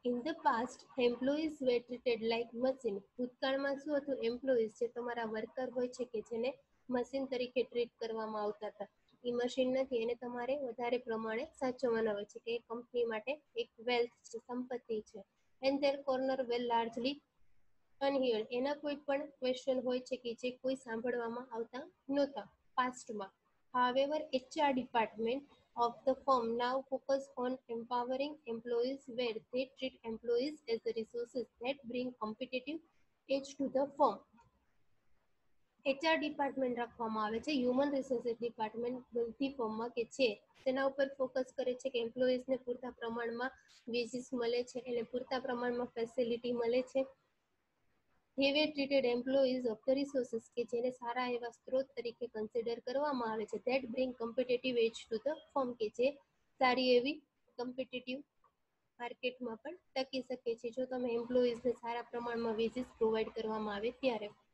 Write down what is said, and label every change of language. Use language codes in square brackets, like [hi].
[en] in the past employees were treated like machine, [gu] ભૂતકાળમાં શું હતું, એમ્પ્લોઈઝ જે તમારા વર્કર હોય છે કે જેને મશીન તરીકે ટ્રીટ કરવામાં આવતા હતા, એ મશીન નથી, એને તમારે વધારે પ્રમાણે સાચવવાના હોય છે કે એ કંપની માટે એક વેલ્થ છે, સંપત્તિ છે. [en] and their corner well largely unheard, [gu] એના કોઈ પણ ક્વેશ્ચન હોય છે કે જે કોઈ સાંભળવામાં આવતા નહોતા પાસ્ટમાં. [en] However HR department of the firm now focus on empowering employees where they treat employees as the resources that bring competitive edge to the firm. [gu] HR department રાખવામાં આવે છે, human resources department બધી ફર્મમાં કે છે તેના ઉપર ફોકસ કરે છે કે employees ને પૂરતા પ્રમાણમાં વેજીસ મળે છે, એને પૂરતા પ્રમાણમાં ફેસિલિટી મળે છે. [en] have treated employees of the resources, [gu] કે જેને સારા એવા સ્ત્રોત તરીકે કન્સિડર કરવામાં આવે છે, [en] that bring competitive edge to the firm, [gu] કે જે સારી એવી કોમ્પિટિટિવ માર્કેટમાં પણ ટકી શકે છે જો તમે એમ્પ્લોઈઝને સારા પ્રમાણમાં વેજીસ પ્રોવાઈડ કરવામાં આવે ત્યારે.